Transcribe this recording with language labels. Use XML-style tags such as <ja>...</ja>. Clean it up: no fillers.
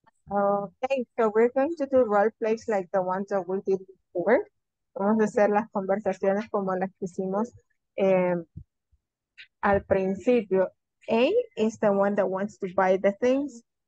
<en>Okay, so we're going to do role plays like the ones that we did before.</en> <es>Vamos a hacer las conversaciones como las que hicimos al principio.</es> <en>A is the one that wants to buy the things.</en>